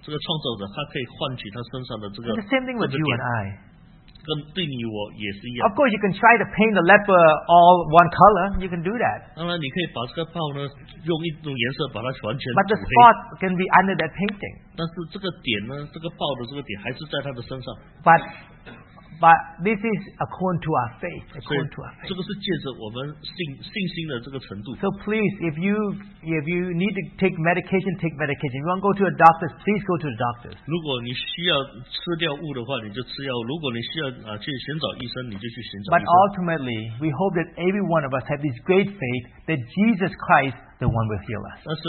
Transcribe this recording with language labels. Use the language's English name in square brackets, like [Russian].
[Chinese] 但是制造这个豹的这个创造者，他可以换取他身上的这个。 [English] The same thing with you and I. [Chinese] 跟对你我也是一样。 [English] Of course, you can try to paint the leper all one color. You can do that. [Chinese] 当然，你可以把这个豹呢，用一种颜色把它完全涂黑。 [English] But the spot can be under that painting. [Chinese] 但是这个点呢，这个豹的这个点还是在他的身上。 [English] But this is according to our faith. According to our faith. [Chinese] 这个是借着我们信心的这个程度。 [English] So please, if you need to take medication, take medication. If you want to go to a doctor, please go to the doctor. [Chinese] 如果你需要吃掉物的话，你就吃药。如果你需要去寻找医生，你就去寻找医生。 [English] But ultimately, we hope that every one of us have this great faith that Jesus Christ, the one will heal us.